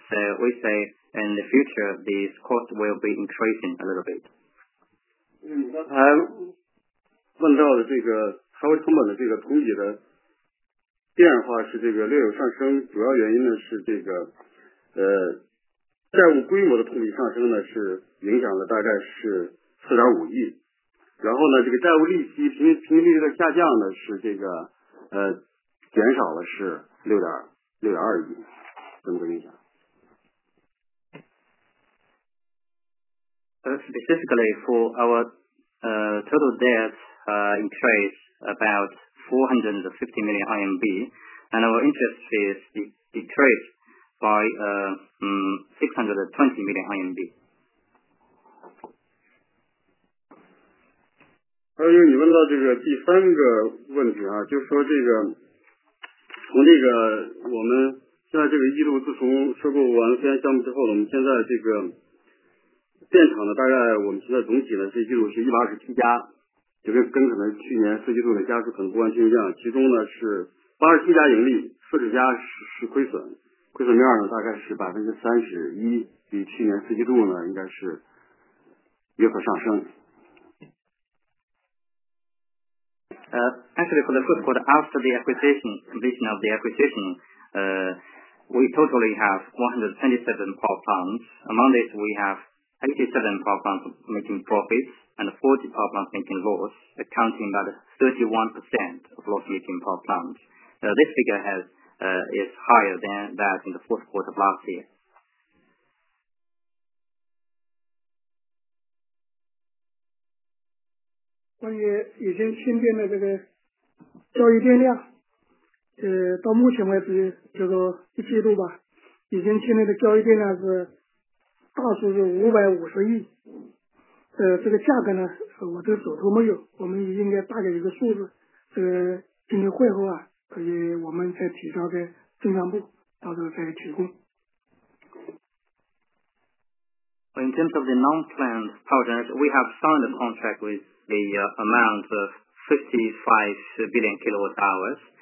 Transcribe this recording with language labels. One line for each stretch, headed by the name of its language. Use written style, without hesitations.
English: So we say in the future, these costs will be increasing a little bit.
Chinese: 刚才问到的这个财务成本的这个同比的变化是这个略有上升，主要原因呢是这个债务规模的同比上升呢是影响了大概是4.5亿，然后呢这个债务利息平均利率的下降呢是这个减少了是6.2亿。
English: Specifically for our total debt increased about 450 million RMB and our interest fees decreased by 620 million RMB.
Chinese: 还有你问到这个第三个问题啊，就说这个从这个我们现在这个一季度自从收购完了三项目之后呢，我们现在这个电厂呢，大概我们现在总体呢，这一季度是127家，就跟可能去年四季度的家数可能不完全一样，其中呢是87家盈利，40家是亏损，亏损面呢大概是31%，比去年四季度呢应该是有所上升。
English: Actually, for the first quarter after the acquisition, completion of the acquisition, we totally have 127 power plants. Among this, we have 87 power plants making profits and 40 power plants making loss, accounting about 31% of loss-making power plants. This figure is higher than that in the fourth quarter of last year.
Chinese: 关于已经新建的这个交易电量，到目前为止这个一季度吧，已经建立的交易电量是大数是550亿，这个价格呢，我这个手头没有，我们应该大概一个数字，今天会后啊，可以我们再提交给经常部，到时候再提供。
English: In terms of the non-planned power generation, we have signed a contract with the amount of 55 billion kilowatt hours.